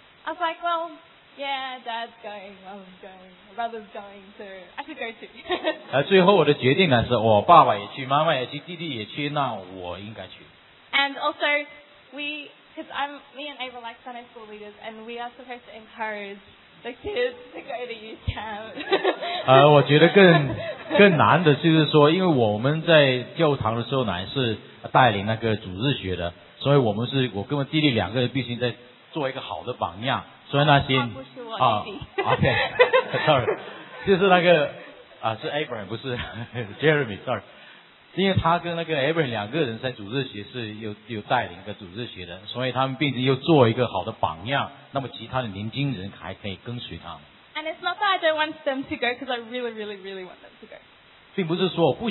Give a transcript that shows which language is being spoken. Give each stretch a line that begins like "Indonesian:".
English: I was like, well, yeah, Dad's going, I'm going, brother's going, so I should go too.
Chinese: 最后我的决定呢是，我爸爸也去，妈妈也去，弟弟也去，那我应该去。And
English: also, because me and Ava like Sunday school leaders, and we are supposed to encourage the kids to go to youth camp.
Chinese: 我觉得更难的就是说，因为我们在教堂的时候呢是带领那个主日学的，所以我们是我跟我弟弟两个人必须在做一个好的榜样，所以那些啊，
English: OK，sorry，
Chinese: 就是那个啊是 Abraham 不是 Jeremy sorry。因为他跟那个 Abraham 两个人在主日学是又带领一个主日学的，所以他们并且又做一个好的榜样，那么其他的年轻人还可以跟随他们。And
English: it's not that I don't want them to go, because I really, really, really want them to go.